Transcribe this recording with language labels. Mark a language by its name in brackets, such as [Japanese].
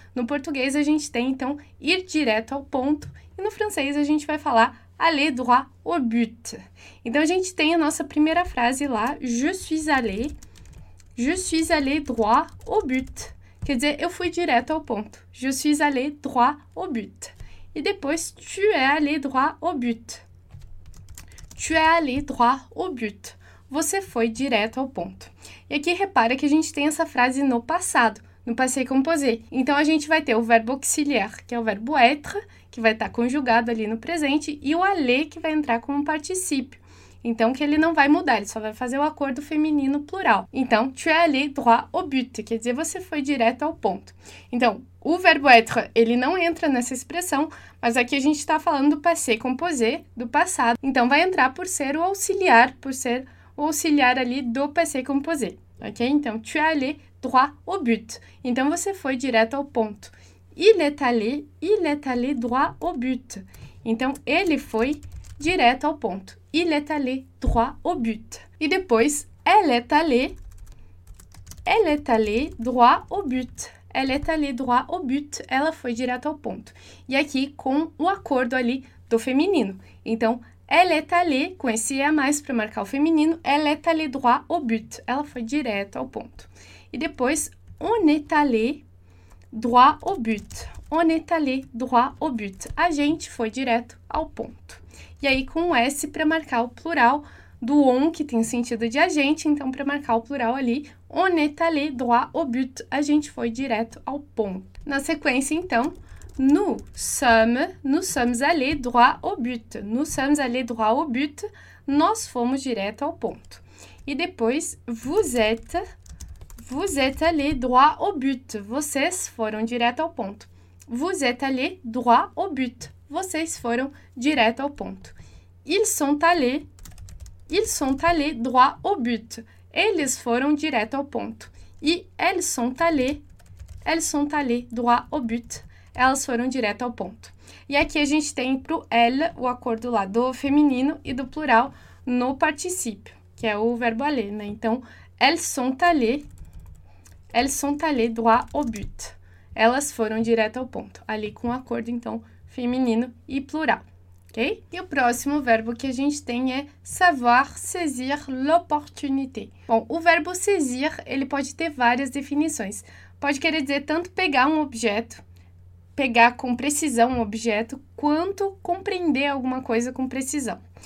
[Portuguese] No português, a gente tem, então, ir direto ao ponto. E no francês, a gente vai falar [French] aller droit au but. [Portuguese] Então, a gente tem a nossa primeira frase lá, [French] je suis allé droit au but. [Portuguese] Quer dizer, eu fui direto ao ponto. [French] Je suis allé droit au but. [Portuguese] E depois, [French] tu es allé droit au but. Tu es allé droit au but. [Portuguese] Você foi direto ao ponto. E aqui, repara que a gente tem essa frase no passado, no passé composé. Então, a gente vai ter o verbo auxiliaire, que é o verbo être, que vai estar conjugado ali no presente, e o aller, que vai entrar como particípio. Então, que ele não vai mudar, ele só vai fazer o acordo feminino plural. Então, [French] tu es allé droit au but, [Portuguese] quer dizer, você foi direto ao ponto. Então, o verbo être, ele não entra nessa expressão, mas aqui a gente está falando do passé composé, do passado. Então, vai entrar por ser o auxiliar, por ser o auxiliar ali do passé composé, ok? Então, [French] tu es allé droit au but. [Portuguese] Então, você foi direto ao ponto. [French] Il est allé droit au but. [Portuguese] Então, ele foi direto ao ponto. [French] Il est allé droit au but. [Portuguese] E depois, [French] elle est allée droit au but. Elle est allée droit au but. [Portuguese] Ela foi direto ao ponto. E aqui, com o acordo ali do feminino. Então, elle est allée, com esse E a mais para marcar o feminino, [French] elle est allée droit au but. [Portuguese] Ela foi direto ao ponto. E depois, [French] on est allé droit au but. On est allé droit au but. [Portuguese] A gente foi direto ao ponto. E aí, com o S para marcar o plural do on, que tem sentido de a gente. Então, para marcar o plural ali, [French] on est allé droit au but. [Portuguese] A gente foi direto ao ponto. Na sequência, então, [French] nous sommes allés droit au but. Nous sommes allés droit au but. [Portuguese] Nós fomos direto ao ponto. E depois, [French] vous êtes allés droit au but. [Portuguese] Vocês foram direto ao ponto. [French] Vous êtes allés droit au but. [Portuguese] Vocês foram direto ao ponto. [French] Ils sont allés droit au but. [Portuguese] Eles foram direto ao ponto. [French] E elles sont allés droit au but. [Portuguese] Elas foram direto ao ponto. E aqui a gente tem para o elle, o acordo lá do feminino e do plural no particípio, que é o verbo aller, né? [French] Então, elles sont allés droit au but. [Portuguese] Elas foram direto ao ponto. Ali com o acordo, então, feminino e plural, ok? E o próximo verbo que a gente tem é [French] savoir saisir l'opportunité. [Portuguese] Bom, o verbo saisir, ele pode ter várias definições. Pode querer dizer tanto pegar um objeto, pegar com precisão um objeto, quanto compreender alguma coisa com precisão.